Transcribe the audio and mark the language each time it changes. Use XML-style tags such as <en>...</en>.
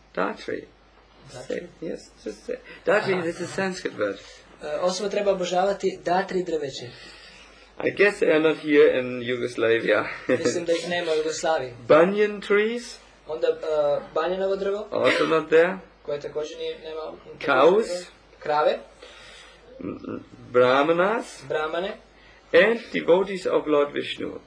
<en>Datri. Yes, datri is a Sanskrit word.</en> <sr>Osoba treba obožavati datri drveće.</sr> <en>I guess they are not here in Yugoslavia.</en> <sr>Mislim da ih nema u Jugoslaviji.</sr> <en>Banyan trees.</en> <sr>Onda banjanovo drvo.</sr> <en>Also not there.</en> <sr>Koje također nema.</sr> <en>Cows.</en> <sr>Krave.</sr> <en>Brahmanas.</en> <sr>Brahmane.</sr> <en>And devotees of Lord Vishnu.</en>